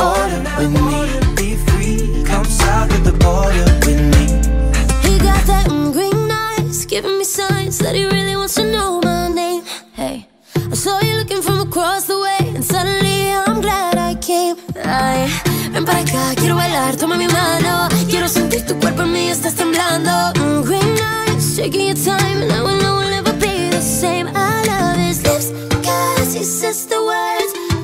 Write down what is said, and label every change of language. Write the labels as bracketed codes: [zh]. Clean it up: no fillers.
[en] Come south of the border with me. Be free. Come south of the border with me. He got that green eyes, giving me signs that he really wants to know my name. Hey, I saw you looking from across the way, and suddenly I'm glad I came. [es] Ay, ven para acá, quiero bailar, toma mi mano. Quiero sentir tu cuerpo en mí, estás temblando. [en] Green eyes, taking your time, and I will know we'll never be the same. I love his lips, cause he says the words.